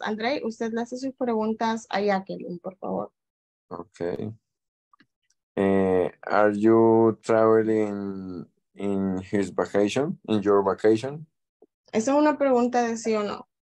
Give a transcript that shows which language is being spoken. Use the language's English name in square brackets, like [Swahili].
[Spanish] André, usted le hace sus preguntas a Jacqueline, por favor. [English] Okay. Are you traveling in his vacation, in your vacation? [Spanish] Esa es una pregunta de sí o no.